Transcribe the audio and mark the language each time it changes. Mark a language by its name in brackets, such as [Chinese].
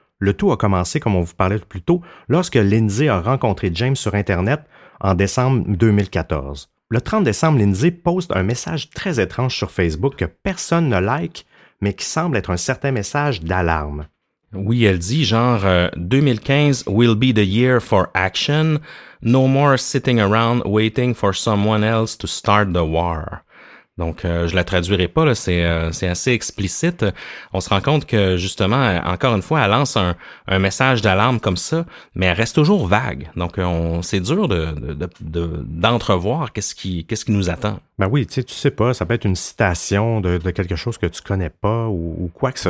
[French] Le tout a commencé, comme on vous parlait plus tôt, lorsque Lindsay a rencontré James sur Internet en décembre 2014. Le 30 décembre, Lindsay poste un message très étrange sur Facebook que personne ne like, mais qui semble être un certain message d'alarme. Oui, elle dit genre [English] 2015 will be the year for action. No more sitting around waiting for someone else to start the war. [French] Donc, je la traduirai pas, là, c'est assez explicite. On se rend compte que, justement, encore une fois, elle lance un message d'alarme comme ça, mais elle reste toujours vague. Donc, c'est dur d'entrevoir qu'est-ce qui nous attend. Ben oui, tu sais pas, ça peut être une citation de quelque chose que tu connais pas ou quoi que ce